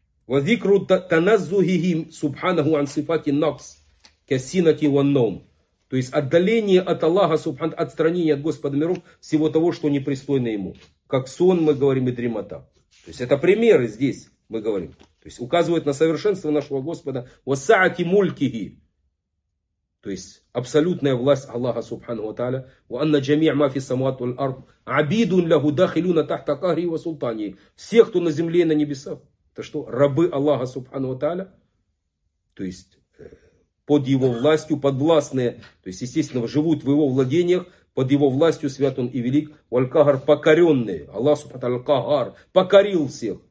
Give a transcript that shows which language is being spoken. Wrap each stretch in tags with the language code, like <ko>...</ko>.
<ar>وذكر تنزهه سبحانه عن صفات النقص كالسنة والنوم.</ar> <ru>То есть отдаление от Аллаха Субхану, отстранение от Господа миров всего того, что не пристойно ему. Как сон, мы говорим, и дремота. То есть это примеры здесь, мы говорим. То есть указывает на совершенство нашего Господа.</ru> <ar>وسعتي ملكه.</ar> <ru>То есть абсолютная власть Аллаха Субхану ва Тааля.</ru> <ar>وأن جميع ما في السماوات والأرض عبيد له داخلون تحت قهره وسلطانه.</ar> <ru>Все, кто на земле и на небесах. Это что? Рабы Аллаха Субхану ва Тааля. То есть под его властью, подвластные. То есть, естественно, живут в его владениях. Под его властью свят он и велик. Валькагар покоренные. Аллах Субхану ва Тааля кагар. Покорил всех.</ru>